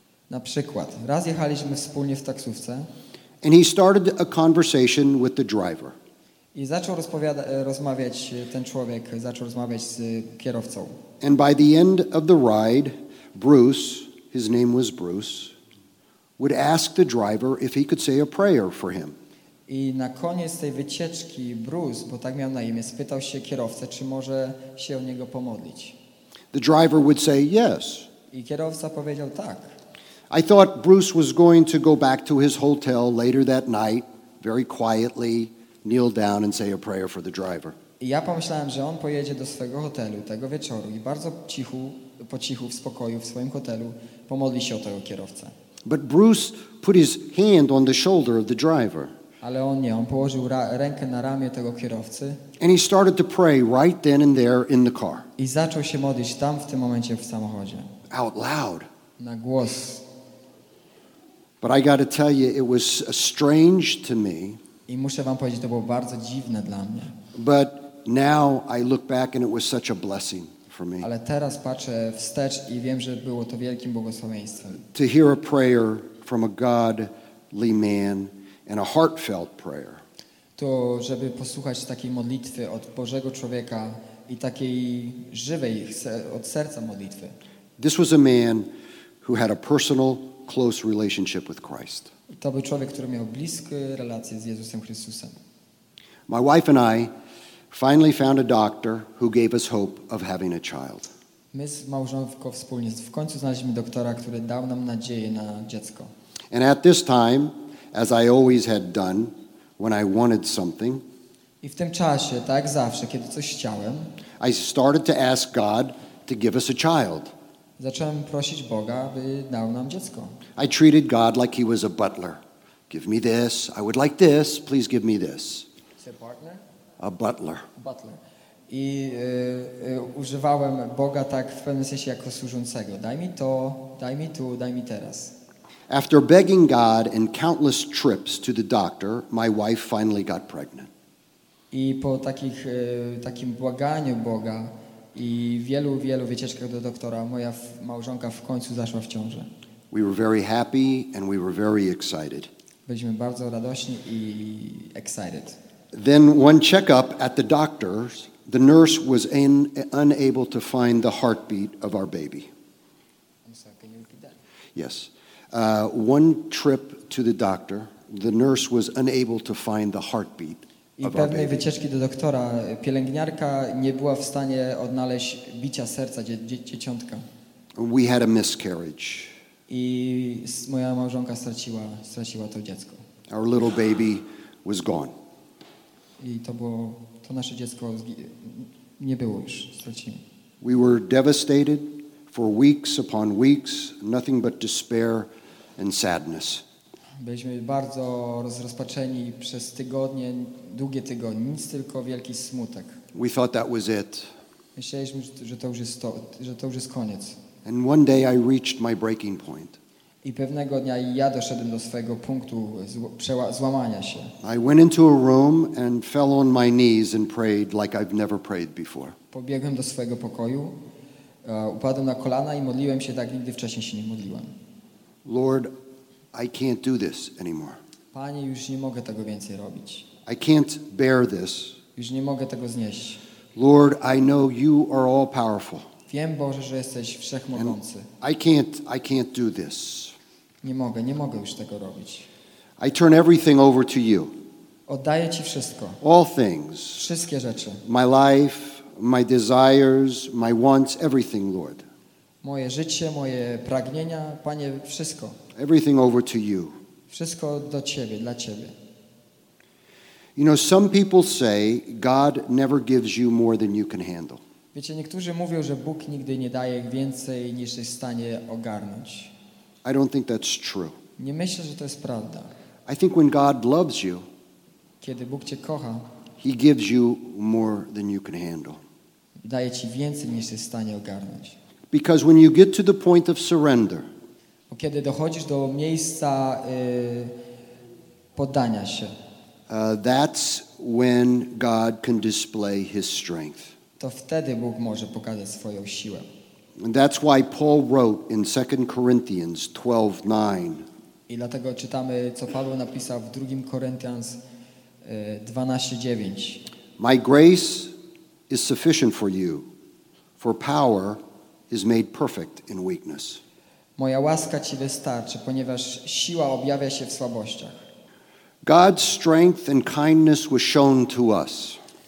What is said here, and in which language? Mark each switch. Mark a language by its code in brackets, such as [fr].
[pl] Na przykład, raz jechaliśmy wspólnie w taksówce. [en] And he started a conversation with the driver. [pl] I zaczął rozmawiać ten człowiek, zaczął rozmawiać z kierowcą. [en] And by the end of the ride, Bruce, his name was Bruce, would ask the driver if he could say a prayer for him. [pl] I na koniec tej wycieczki Bruce, bo tak miał na imię, spytał się kierowcę, czy może się o niego pomodlić. [en] The driver would say yes. [pl] I kierowca powiedział tak. [en] I thought Bruce was going to go back to his hotel later that night, very quietly, kneel down and say a prayer for the driver. [pl] I ja pomyślałem, że on pojedzie do swojego hotelu tego wieczoru i bardzo cichu, po cichu, w spokoju, w swoim hotelu, pomodli się o tego kierowcę. [en] But Bruce put his hand on the shoulder of the driver. [pl] Ale on nie, on położył rękę na ramię tego kierowcy. [en] And he started to pray right then and there in the car. [pl] I zaczął się modlić tam, w tym momencie, w samochodzie. [en] Out loud. [pl] Na głos. [en] But I got to tell you, it was strange to me. [pl] I muszę wam powiedzieć, to było bardzo dziwne dla mnie. [en] But now I look back and it was such a blessing for me. [pl] Ale teraz patrzę wstecz i wiem, że było to wielkim błogosławieństwem. [en] To hear a prayer from a godly man and a heartfelt prayer. [pl] To, żeby posłuchać takiej modlitwy od Bożego człowieka i takiej żywej, od serca modlitwy. [en] This was a man who had a personal, close relationship with Christ. [pl] To był człowiek, który miał bliskie relacje z Jezusem Chrystusem. [en] My wife and I finally found a doctor who gave us hope of having a child. [pl] My z małżonką wspólnie w końcu znaleźliśmy doktora, który dał nam nadzieję na dziecko. [en] And at this time, as I always had done when I wanted something, [pl] i w tym czasie, tak zawsze, kiedy coś chciałem, [en] I started to ask God to give us a child. [pl] Zacząłem prosić Boga, by dał nam dziecko. [en] I treated God like he was a butler. Give me this. I would like this. Please give me this. A butler. Butler. [pl] I używałem Boga tak w pewnym sensie jako służącego. Daj mi to, daj mi tu, daj mi teraz. [en] After begging God and countless trips to the doctor, my wife finally got pregnant. [pl] I po takich takim błaganiu Boga i wielu, wielu wycieczkach do doktora, moja małżonka w końcu zaszła w ciążę. [en] We were very happy and we were very excited. [pl] Byliśmy bardzo radośni i excited. [en] Then one checkup at the doctor's, the nurse was unable to find the heartbeat of our baby. I'm sorry, can you repeat that? Yes. One trip to the doctor, the nurse was unable to find the heartbeat [pl] i pewnej wycieczki do doktora pielęgniarka nie była w stanie odnaleźć bicia serca dzieciątka. [en] We had a miscarriage. [pl] I moja małżonka straciła to dziecko. [en] Our little baby was gone. [pl] I to było, to nasze dziecko nie było już, straciliśmy. [en] We were devastated for weeks upon weeks, nothing but despair and sadness. [pl] Byliśmy bardzo rozpaczeni przez tygodnie, długie tygodnie, nic tylko wielki smutek. [en] We thought that was it. [pl] Myśleliśmy, że to już jest to, że to już jest koniec. [en] And one day I reached my breaking point. [pl] I pewnego dnia ja doszedłem do swojego punktu złamania się. [en] I went into a room and fell on my knees and prayed like I've never prayed before. [pl] Pobiegłem do swojego pokoju, upadłem na kolana i modliłem się tak, nigdy wcześniej się nie modliłem. [en] Lord, I can't do this anymore. [pl] Panie, już nie mogę tego więcej robić. [en] I can't bear this. [pl] Już nie mogę tego znieść. [en] Lord, I know you are all powerful. [pl] Wiem, Boże, że jesteś wszechmogący. [en] I can't do this. [pl] Nie mogę już tego robić. [en] I turn everything over to you. [pl] Oddaję ci wszystko. [en] All things. [pl] Wszystkie rzeczy. [en] My life, my desires, my wants, everything, Lord. [pl] Moje życie, moje pragnienia, Panie, wszystko. [en] Everything over to you. [pl] Wszystko do ciebie, dla ciebie. [en] You know, some people say God never gives you more than you can handle. [pl] Wiecie, niektórzy mówią, że Bóg nigdy nie daje więcej niż jest w stanie ogarnąć. [en] I don't think that's true. [pl] Nie myślę, że to jest prawda. [en] I think when God loves you, [pl] kiedy Bóg cię kocha, [en] he gives you more than you can handle. [pl] Daje ci więcej niż jest w stanie ogarnąć. [en] Because when you get to the point of surrender, [pl] kiedy dochodzisz do miejsca poddania się, [en] that's when God can display his strength. [pl] To wtedy Bóg może pokazać swoją siłę. [en] And that's why Paul wrote in 2 Corinthians 12:9. [pl] I dlatego czytamy, co Paweł napisał w 2 Corinthians 12:9. [en] My grace is sufficient for you, for power is made perfect in weakness. [pl] Moja łaska ci wystarczy, ponieważ siła objawia się w słabościach. [en] God's strength and kindness was shown to us.